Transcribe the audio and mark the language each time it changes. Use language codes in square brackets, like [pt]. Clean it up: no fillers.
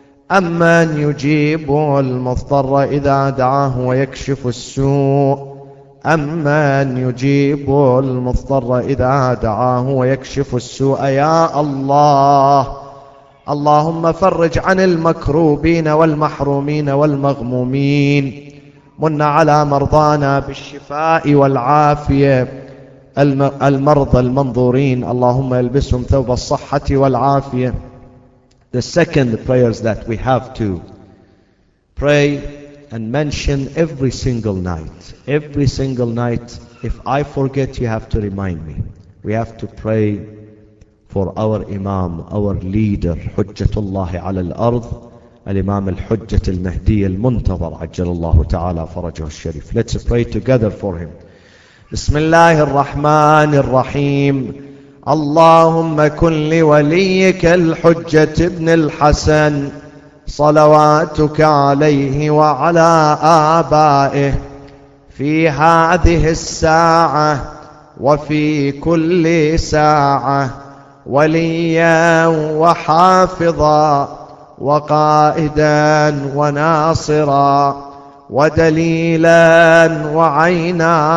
[ar] أمن يجيب المضطر إذا دعاه ويكشف السوء أمن يجيب المضطر إذا دعاه ويكشف السوء يا الله اللهم فرج عن المكروبين والمحرومين والمغمومين من على مرضانا بالشفاء والعافية المرضى المنظورين اللهم يلبسهم ثوب الصحة والعافية. [en] The second prayers that we have to pray and mention every single night. Every single night, if I forget, you have to remind me. We have to pray for our Imam, our leader, Hujjatullah ala al-Ard, al-Imam al-Hujjat al-Mahdi al-Muntazar, ajjalallahu ta'ala farajahu al-Sharif. Let's pray together for him. [ar] Bismillahirrahmanirrahim. Allahumma kun li waliyika al-Hujjat ibn al-Hasan, salawatuka alayhi wa ala abaihi, fi hadhihi as-sa'ah, wa fi kulli sa'ah, وليا وحافظا وقائدا وناصرا ودليلا وعينا